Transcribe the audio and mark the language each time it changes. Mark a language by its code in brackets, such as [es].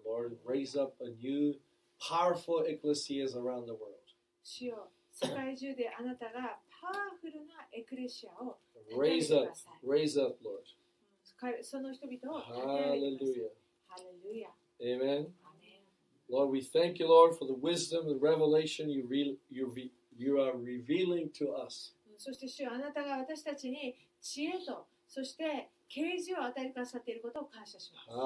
[en] Lord, raise up a new powerful ecclesias around the world. [ja] 主よ、世界中であなたがパワフルなエクレシアを立ててください。 [en] Raise up, Lord. [ja] その人々を立てください。 [en] Hallelujah. Hallelujah. Amen. Lord, we thank you, Lord, for the wisdom and revelation you are revealing to us. [ja] そして主よ、あなたが私たちに知恵とそして啓示を与えてくださっていることを感謝します。